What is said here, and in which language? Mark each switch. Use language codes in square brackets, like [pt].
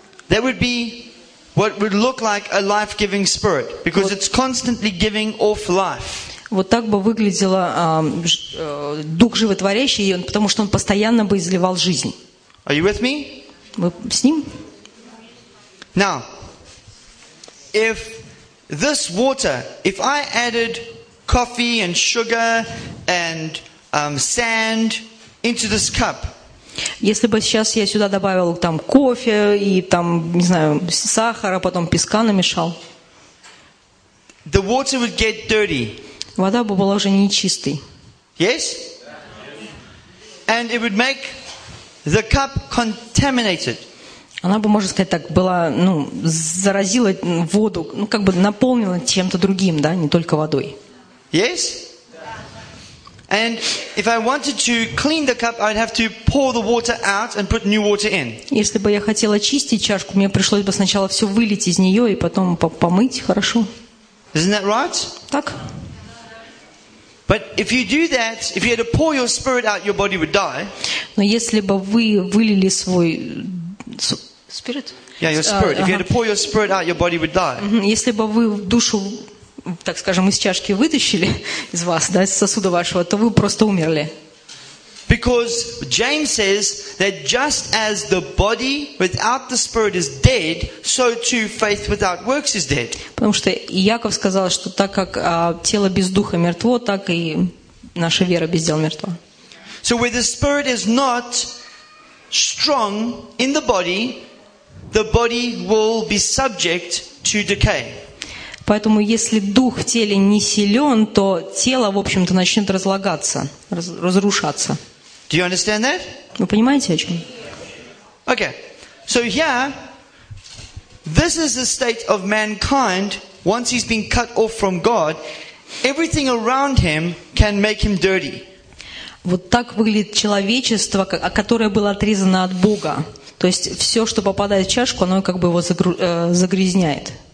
[en] That would be what would look like a life-giving spirit, because it's constantly giving off life. [ru] Вот так бы выглядело дух животворящий, потому что он постоянно бы изливал жизнь. [en] Are you with me? [ru] Вы с ним? [en] Now, if this water, if I added coffee and sugar and sand into this cup. [ru] Если бы сейчас я сюда добавил там кофе и там, не знаю, сахара, потом песка намешал. [en] The water would get dirty. [ru] Вода бы была уже нечистой. [en] Yes? And it would make the cup contaminated. [ru] Она бы, можно сказать так, была, ну, заразила воду, ну, как бы наполнила чем-то другим, да, не только водой. [en] Yes? And if I wanted to clean the cup, I'd have to pour the water out and put new water in. [ru] Если бы я хотела чистить чашку, мне пришлось бы сначала все вылить из нее и потом помыть хорошо. [en] Isn't that right? [ru] Так. [en] But if you do that, if you had to pour your spirit out, your body would die. [ru] Но если бы вы вылили свой spirit? [en] Yeah, your spirit. If you had to pour your spirit out, your body would die. [ru] Если бы вы душу так скажем, из чашки вытащили из вас, да, из сосуда вашего, то вы просто умерли. [en] Because James says that just as the body without the spirit is dead, so too faith without works is dead. [ru] Потому что Яков сказал, что так как тело без духа мертво, так и наша вера без дел мертва. [en] So where the spirit is not strong in the body will be subject to decay. [ru] Поэтому, если дух в теле не силен, то тело, в общем-то, начнет разлагаться, разрушаться. [en] Do you understand that? [ru] Вы понимаете, о чем? [en] Okay. So here, this is the state of mankind once he's been cut off from God. Everything around him can make him dirty. [ru] Вот так выглядит человечество, которое было отрезано от Бога. То есть все, что попадает в чашку, оно как бы его загрязняет.